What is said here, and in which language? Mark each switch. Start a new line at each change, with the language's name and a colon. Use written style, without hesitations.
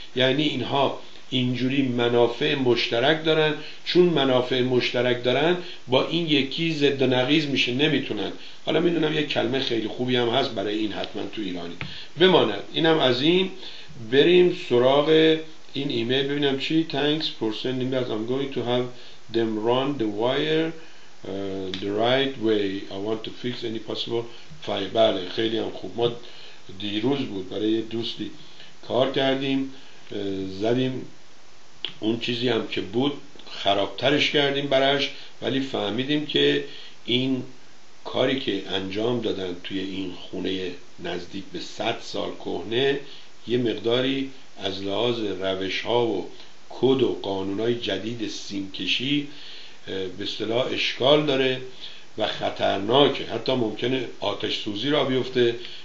Persian: یعنی اینها اینجوری منافع مشترک دارن، چون منافع مشترک دارن با این یکی ضد و نقیض میشه، نمیتونن. حالا میدونم یه کلمه خیلی خوبی هم هست برای این، حتما تو ایرانی بمانه. اینم از این، بریم سراغ این ایمیل ببینم چی.
English: Thanks for sending us. I'm going to have them run the wire the right way. I want to fix any possible fire.
Persian: بله خیلی هم خوب. ما دیروز بود برای یه دوستی کار کردیم، زدیم اون چیزی هم که بود خرابترش کردیم براش، ولی فهمیدیم که این کاری که انجام دادن توی این خونه نزدیک به 100 سال کهنه یه مقداری از لحاظ روش‌ها و کد و قانون‌های جدید سیمکشی به اصطلاح اشکال داره و خطرناکه، حتی ممکنه آتش سوزی را بیفته.